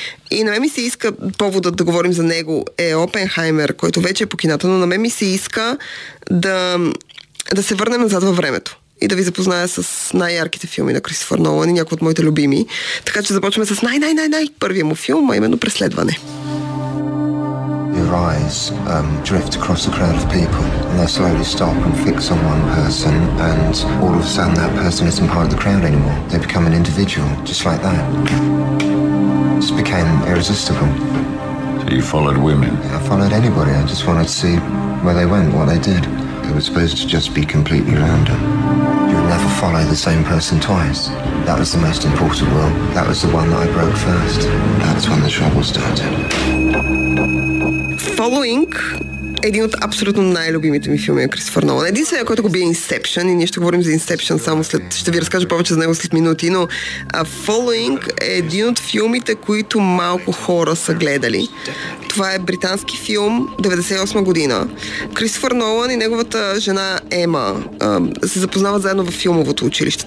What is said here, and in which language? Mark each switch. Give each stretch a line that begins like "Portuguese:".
Bulgarian: И на мен ми се иска, поводът да говорим за него е Опенхаймер, който вече е по кината, но на мен ми се иска да се върнем назад във времето и да ви запозная с най-ярките филми на Кристофър Нолан и някои от моите любими. Така че започваме с най-най-най-най първия му филм, а именно Преследване.
English: Your eyes drift across the crowd of people and they slowly stop and fix on one person and all of a sudden that person isn't part of the crowd anymore. They become an individual, just like that. It just became irresistible. So you followed women? I followed anybody. I just wanted to see where they went, what they did. It was supposed to just be completely random. You would never follow the same person twice. That was the most important rule. That was the one that I broke first. That's when the trouble started. Following
Bulgarian: един от абсолютно най-любимите ми филми е Кристофър Нолан. Единственият, който го би е Inception, и ние ще говорим за Inception само след, ще ви разкажа повече за него след минути, но Following е един от филмите, които малко хора са гледали. Това е британски филм, 98 година. Кристофър Нолан и неговата жена Ема се запознават заедно в филмовото училище.